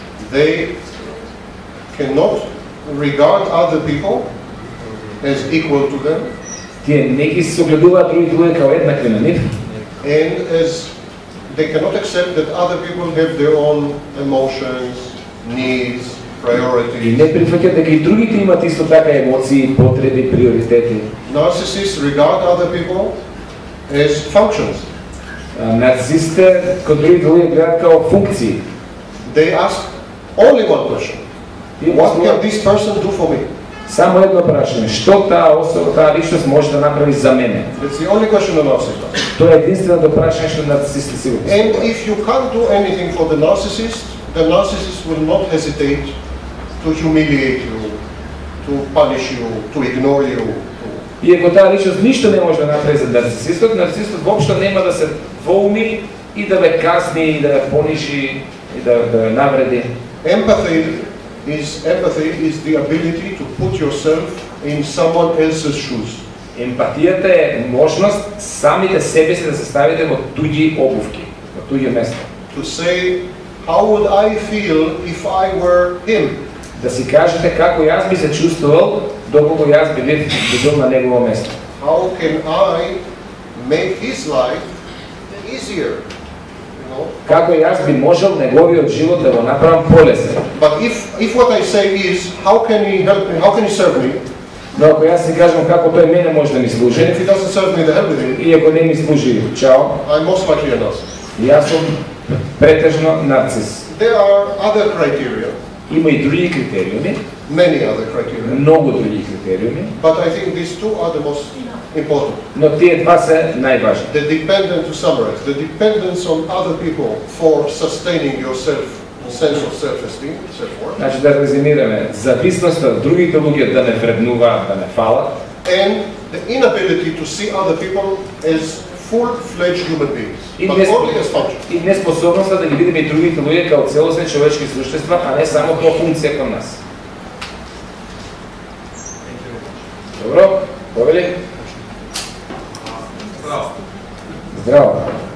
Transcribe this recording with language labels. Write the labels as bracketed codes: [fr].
[en] They cannot regard other people as equal to them. [mk] Тие не ги согледуваат други луѓе како еднакви на нив. [en] And as they cannot accept that other people have their own emotions, needs, priorities. [mk] И не прифаќаат дека и другите имаат исто така емоции, потреби, приоритети. [en] Narcissists regard other people as functions. [mk] Нарцисите кои другите луѓе гледаат како функции. [en] They ask only one question. What can this person do for me? [mk] Само едно прашање. Што таа особа, таа личност може да направи за мене? [en] That's the only question a narcissist. [mk] Тоа е единственото прашање што нарцисите си го поставуваат. [en] And if you can't do anything for the narcissist will not hesitate to humiliate you, to punish you, to ignore you. [mk] И ако таа личност ништо не може да направи за нарцисистот, нарцисистот воопшто нема да се воуми и да ве казни, и да ве понижи, и да ве навреди. [en] Empathy is the ability to put yourself in someone else's shoes. [mk] Емпатијата е можност самите себе си да се ставите во туѓи обувки, во туѓо место. [en] To say, how would I feel if I were him? [mk] Да си кажете како јас би се чувствувал доколку јас би бил на негово место. [en] How can I make his life easier? [mk] Како јас би можел неговиот живот да го направам полесен? [en] But if what I say is how can he help me, how can he serve me? [mk] Но ако јас си кажам како тој мене може да ми служи? [en] If he doesn't serve me, the hell with him. [mk] И ако не ми служи, чао. [en] I'm most likely a narcissist. [mk] Јас сум претежно нарцис. [en] There are other criteria. [mk] Има и други критериуми. [en] Many other criteria. [mk] Многу други критериуми. [en] But I think these two are the most important. [mk] Но тие два се најважни. [en] The dependence, to summarize, the dependence on other people for sustaining yourself, sense of self-esteem, self-worth. [mk] Значи да резимираме, зависност од другите луѓе да не вреднуваат, да не фалат. [en] And the inability to see other people as full-fledged human beings. [mk] И неспособността да ги видиме и другите луѓе како целосни човечки существа, а не само по функција кон нас. Добро, повели? Здраво. Здраво.